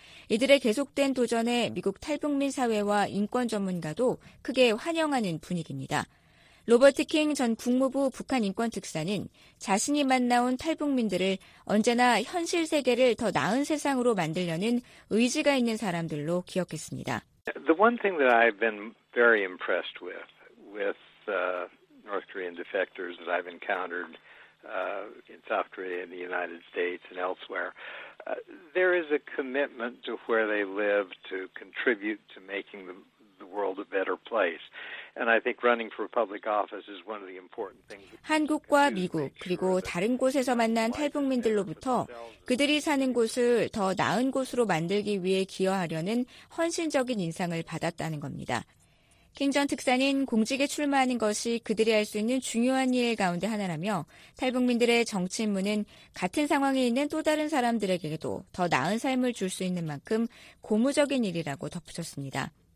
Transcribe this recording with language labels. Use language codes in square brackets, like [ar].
[ko] 이들의 계속된 도전에 미국 탈북민 사회와 인권 전문가도 크게 환영하는 분위기입니다. 로버트 킹 전 국무부 북한인권특사는 자신이 만나온 탈북민들을 언제나 현실 세계를 더 나은 세상으로 만들려는 의지가 있는 사람들로 기억했습니다. [en] The one thing that I've been very impressed with North Korean defectors that I've encountered in South Korea and the United States and elsewhere, there is a commitment to where they live to contribute to making the world a better place. And I think running for public office is one of the important things. [ko] 한국과 미국 그리고 다른 곳에서 만난 탈북민들로부터 그들이 사는 곳을 더 나은 곳으로 만들기 위해 기여하려는 헌신적인 인상을 받았다는 겁니다. 킹 전 특사는 공직에 출마하는 것이 그들이 할 수 있는 중요한 일 가운데 하나라며 탈북민들의 정치 입문은 같은 상황에 있는 또 다른 사람들에게도 더 나은 삶을 줄 수 있는 만큼 고무적인 일이라고 덧붙였습니다.